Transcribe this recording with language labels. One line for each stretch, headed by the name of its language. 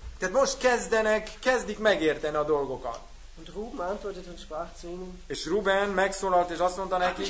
Hungarian: Tehát most kezdik megérteni a dolgokat.
German: Und Ruben antwortet und sprach zu ihnen.
Hungarian: És Ruben megszólalt és azt mondta neki.